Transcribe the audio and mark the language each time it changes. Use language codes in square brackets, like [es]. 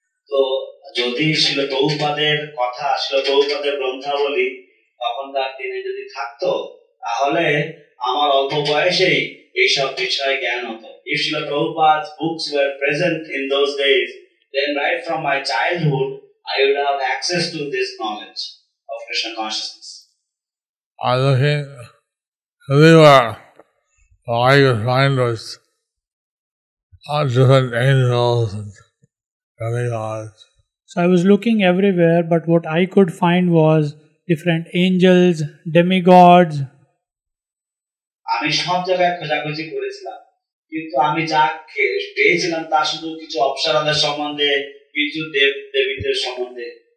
[bn] তো যদি শিলপ্রভুপাদের কথা শিলপ্রভুপাদের গ্রন্থাবলী তখনকার দিনে যদি থাকতো তাহলে আমার অল্প বয়সেই এইসব বিষয়ে জ্ঞান হতো. [en] If Srila Prabhupada books were present in those days, then right from my childhood, I would have access to this knowledge of Krishna consciousness. I was looking everywhere. All I could find was all different angels and demigods. So I was looking everywhere, but what I could find was different angels, demigods. [bn] আমি সব জায়গায় খোঁজাখুঁজি করেছিলাম. কিন্তু আমি যা পেয়েছিলাম তা শুধু কিছু অপ্সরাদের সম্বন্ধে, কিছু দেব দেবীদের সম্বন্ধে.